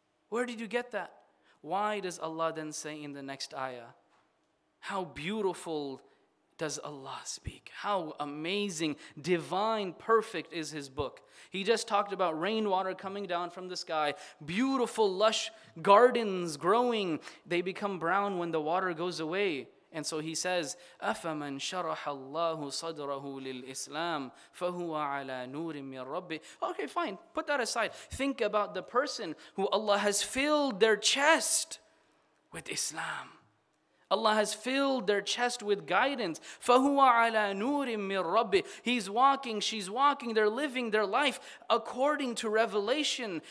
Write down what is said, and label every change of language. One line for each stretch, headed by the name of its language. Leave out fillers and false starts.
English: Where did you get that? Why does Allah then say in the next ayah, how beautiful does Allah speak? How amazing, divine, perfect is His book. He just talked about rainwater coming down from the sky, beautiful, lush gardens growing. They become brown when the water goes away. And so he says,
Arabic: أَفَمَنْ شَرَحَ اللَّهُ صَدْرَهُ لِلْإِسْلَامِ فَهُوَ عَلَىٰ نُورٍ مِّن رَبِّهِ
English: Okay, fine. Put that aside. Think about the person who Allah has filled their chest with Islam. Allah has filled their chest with guidance.
Arabic: فَهُوَ عَلَىٰ نُورٍ مِّن رَبِّهِ
English: He's walking, she's walking, they're living their life according to revelation.